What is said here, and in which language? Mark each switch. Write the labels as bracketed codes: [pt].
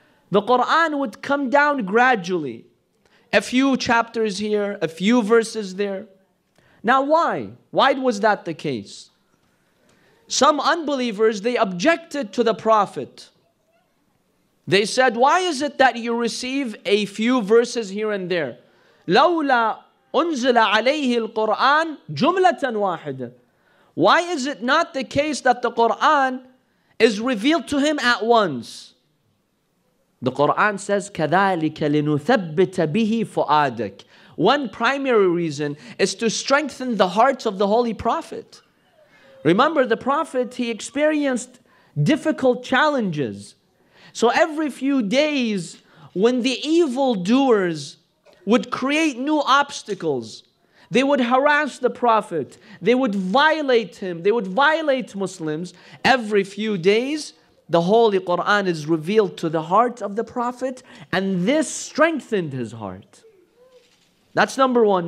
[en] The Quran would come down gradually, a few chapters here, a few verses there. Now why? Why was that the case? Some unbelievers, they objected to the Prophet They said, why is it that you receive a few verses here and there? [ar] لولا أنزل عليه القرآن جملة واحدة. [en] Why is it not the case that the Quran is revealed to him at once? The Quran says, [ar] كذلك لنثبت به فؤادك. [en] One primary reason is to strengthen the hearts of the Holy Prophet. Remember, the Prophet, he experienced difficult challenges. So every few days, when the evildoers would create new obstacles, they would harass the Prophet, they would violate him, they would violate Muslims, every few days, the Holy Quran is revealed to the heart of the Prophet, and this strengthened his heart. That's number one.